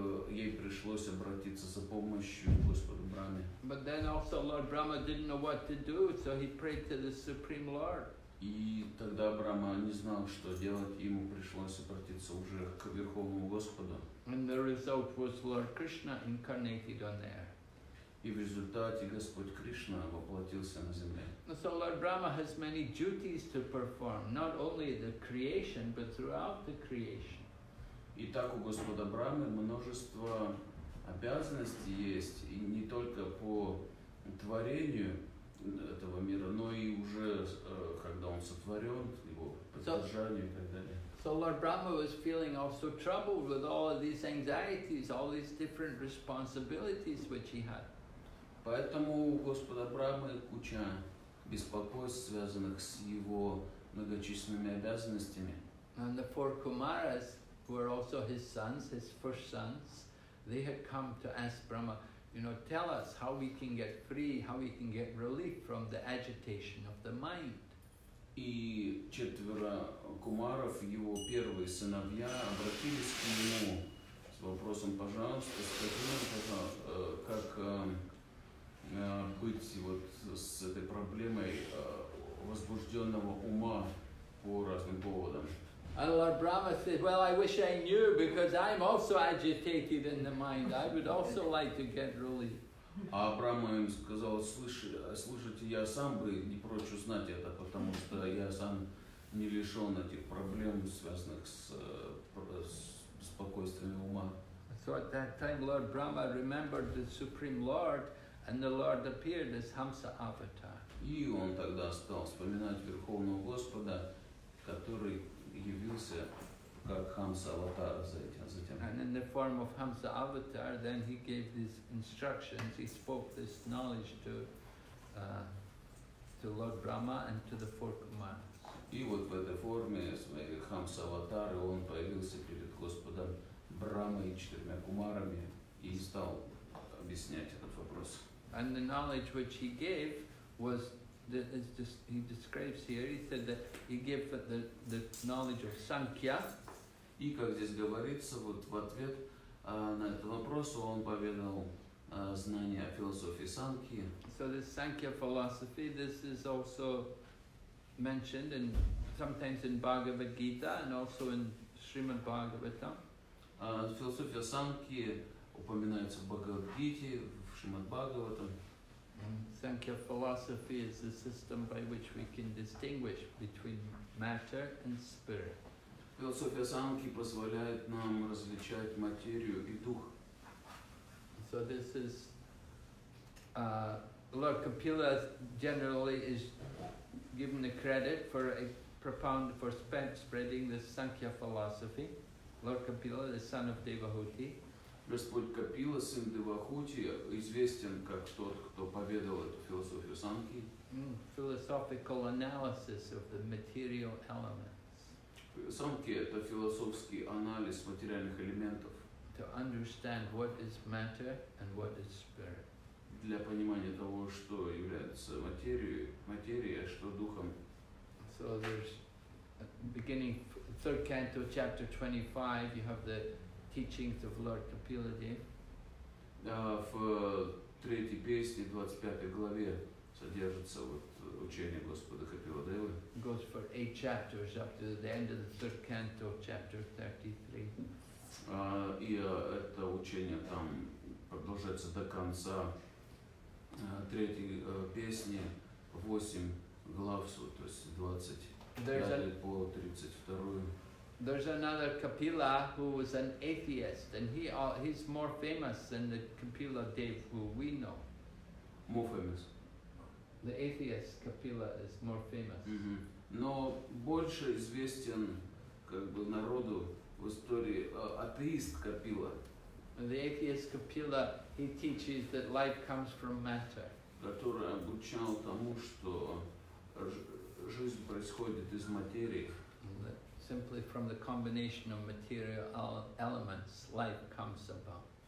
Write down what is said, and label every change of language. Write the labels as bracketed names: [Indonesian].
[Russian] Ей пришлось обратиться за помощью к Господу Брахме. [English] But then also Lord Brahma didn't know what to do, so he prayed to the Supreme Lord. [Russian] И тогда Брама не знал, что делать, ему пришлось обратиться уже к Верховному Господу. [English] And the result was Lord Krishna incarnated on the earth. [Russian] И в результате Господь Кришна воплотился на земле. [English] So Lord Brahma has many duties to perform, not only the creation, but throughout the creation. [Russian] И так у Господа Брамы множество обязанностей есть, и не только по творению этого мира, но и уже когда он сотворен, его поддержанию и так далее. [English] So Lord Brahma was feeling also troubled with all of these anxieties, all these different responsibilities which he had. [Russian] Поэтому у Господа Брамы куча беспокойств, связанных с его многочисленными обязанностями. [English] And the four Kumaras, who were also his sons, his first sons, they had come to ask Brahma, you know, tell us how we can get free, how we can get relief from the agitation of the mind. [Russian] И четверо Кумаров, его первые сыновья, обратились к нему с вопросом, пожалуйста, скажи нам, пожалуйста, как быть вот с этой проблемой возбужденного ума по разным поводам. [English] And Lord Brahma said, well, I wish I knew, because I'm also agitated in the mind. I would also like to get relief. [Russian] А Брама им сказал, слушайте, я сам бы не прочь узнать это, потому что я сам не лишен этих проблем, связанных с спокойствием ума. [English] So at that time, Lord Brahma remembered the Supreme Lord, and the Lord appeared as Hamsa Avatar. [Russian] И он тогда стал вспоминать Верховного Господа, который явился как Хамса Аватар затем. [English] And in the form of Hamsa Avatar, then he gave these instructions, he spoke this knowledge to Lord Brahma and to the four Kumaras. [Russian] И вот в этой форме своей Хамса Аватар, он появился перед Господом Брамой и четырьмя Кумарами и стал объяснять этот вопрос. [English] And the knowledge which he gave was he describes here, he said that he gave the knowledge of Sankhya. [Russian] И как здесь говорится, вот в ответ на этот вопрос он поведал знания о философии Санки. [English] So this Sankhya philosophy, this is also mentioned in sometimes in Bhagavad Gita and also in Srimad Bhagavatam. [Russian] Философия Санки упоминается в Бхагавад Гите, в Шримад Бхагаватам. [English] Sankhya philosophy is the system by which we can distinguish between matter and spirit. [Russian] Философия Санки позволяет нам различать материю и дух. [English] So this is Lord Kapila generally is given the credit for spreading this Sankhya philosophy. Lord Kapila, the son of Devahuti. [Russian] Господь Капила, сын Девахути, известен как тот, кто поведал эту философию Санки. [English] Philosophical analysis of the material elements. [Russian] Санки — это философский анализ материальных элементов. [English] To understand what is matter and what is spirit. [Russian] Для понимания того, что является материей, а что духом. [English] So there's beginning third canto, chapter 25, you have the teachings of Lord Kapila Dev. [Russian] В третьей песне, 25 главе, содержится вот учение Господа Капила Девы. [English] Goes for 8 chapters up to the end of the third canto, chapter 33. [Russian] И это учение там продолжается до конца третьей песни, 8 глав, то есть 25 по 32. [English] There's another Kapila who was an atheist, and he's more famous than the Kapila Dev who we know. More famous. The atheist Kapila is more famous. Mm-hmm. [Russian] Но больше известен как бы народу в истории атеист Капила. [English] The atheist Kapila, he teaches that life comes from matter. [Russian] Который обучал тому, что жизнь происходит из материи. [English] Simply from the combination of material elements, life comes about.